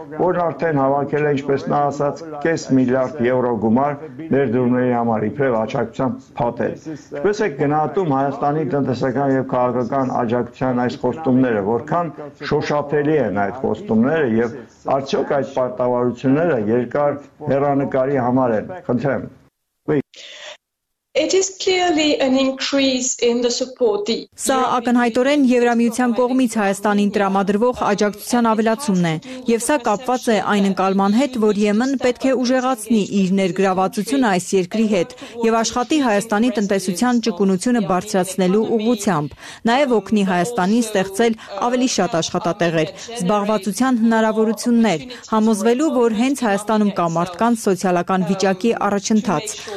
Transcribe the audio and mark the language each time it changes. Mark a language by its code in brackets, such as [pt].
[hy] որն արդեն հավաքել է, ինչպես նա ասաց, 500 միլիարդ եվրո գումար ներդրումների համար, իբրև աջակցության փաթեթ։ Ինչպես եք գնահատում Հայաստանի տնտեսական և քաղաքական աջակցության այս խոստումները, որքան շոշափելի են այդ խոստումները և արդյոք այդ պարտավորությունները երկար հեռանկարի համար են։ Խնդրեմ։ [en] It is clearly an increase in the support. [hy] Սա ակնհայտորեն Եվրամիության կողմից Հայաստանին տրամադրվող աջակցության ավելացումն է, և սա կապված է այն ընկալման հետ, որ ԵՄ-ն պետք է ուժեղացնի իր ներգրավվածությունը այս երկրի հետ և աշխատի Հայաստանի տնտեսության ճկունությունը բարձրացնելու ուղղությամբ, նաև օգնի Հայաստանին ստեղծել ավելի շատ աշխատատեղեր, զբաղվածության հնարավորություններ, համոզվելու, որ հենց Հայաստանում կա մարդկանց սոցիալական վիճակի առաջընթաց,